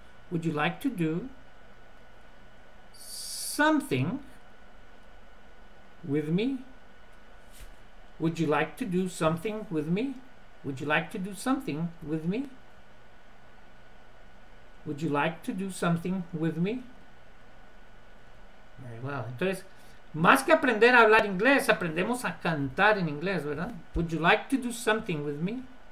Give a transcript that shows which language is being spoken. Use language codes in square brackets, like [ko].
[en] Would you like to do something with me? Would you like to do something with me? Would you like to do something with me? Would you like to do something with me? Very well. [es] Entonces, más que aprender a hablar inglés, aprendemos a cantar en inglés, ¿verdad? [en] Would you like to do something with me?